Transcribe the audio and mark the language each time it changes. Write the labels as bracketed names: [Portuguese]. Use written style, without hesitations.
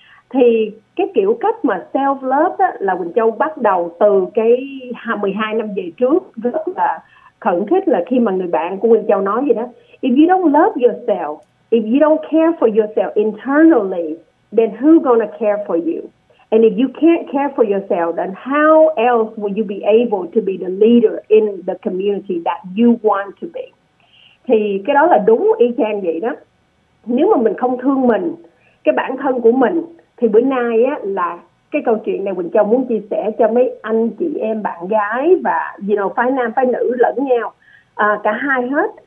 [Vietnamese] Thì cái kiểu cách mà self-love đó, là Quỳnh Châu bắt đầu từ cái 12 năm về trước, rất là khẩn thiết là khi mà người bạn của Quỳnh Châu nói gì đó, [English] if you don't love yourself, if you don't care for yourself internally, then who's gonna care for you? And if you can't care for yourself, then how else will you be able to be the leader in the community that you want to be? [Vietnamese] Thì cái đó là đúng y chang vậy đó. Nếu mà mình không thương mình, cái bản thân của mình, thì bữa nay á, là cái câu chuyện này Quỳnh Châu muốn chia sẻ cho mấy anh chị em, bạn gái và you know, phái nam phái nữ lẫn nhau, cả hai hết.